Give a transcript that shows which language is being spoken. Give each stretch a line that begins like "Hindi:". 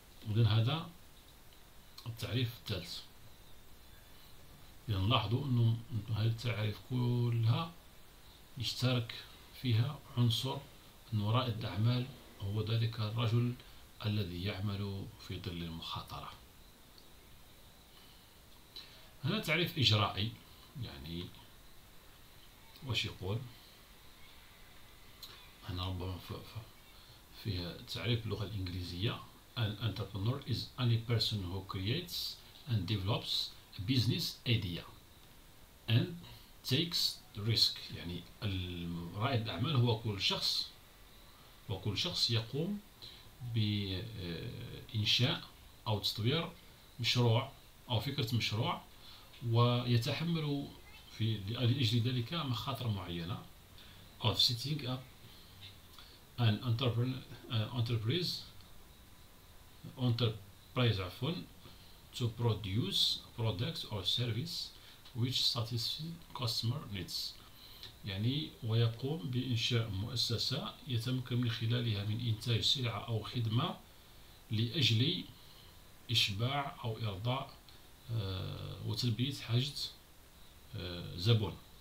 Arabic: إذن هذا التعريف الثالث. إذن لاحظوا أن هذه التعريف كلها يشترك فيها عنصر أن رائد الأعمال هو ذلك الرجل الذي يعمل في ظل المخاطرة. هذا تعريف إجرائي، يعني واش يقول؟ هنا ربما في تعريف اللغة الإنجليزية،
English: An entrepreneur is any person who creates and develops a business idea and takes the risk.
Arabic: يعني رائد الأعمال هو كل شخص، وكل شخص يقوم بإنشاء أو تطوير مشروع أو فكرة مشروع، ويتحمل في لأجل ذلك مخاطر معينة.
English: Of setting up an enterprise
Arabic: عفوا
English: to produce products or service which satisfy customer needs.
Arabic: يعني ويقوم بإنشاء مؤسسة يتمكن من خلالها من إنتاج سلعة أو خدمة لأجل إشباع أو إرضاء وتلبية حاجة زبون.